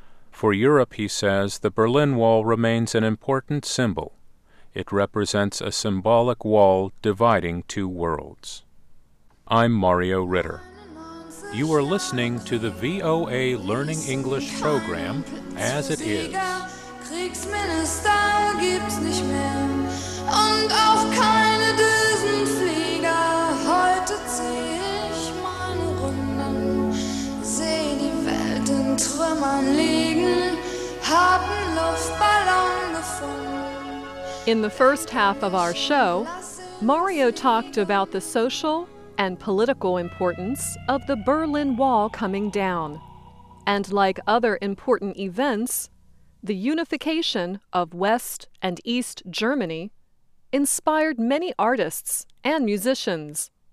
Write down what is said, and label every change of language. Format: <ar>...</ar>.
<en>For Europe, he says, the Berlin Wall remains an important symbol. It represents a symbolic wall dividing two worlds. I'm Mario Ritter. You are listening to the VOA Learning English program as it is.</en> <de>Kriegsminister gibt's nicht mehr und auch keine Düsenflieger. Heute zieh ich meine Runden, seh die Welt in Trümmern liegen, hab einen Luftballon gefunden.</de> <en>In the first half of our show, Mario talked about the social and political importance of the Berlin Wall coming down, and like other important events, the unification of West and East Germany inspired many artists and musicians.</en>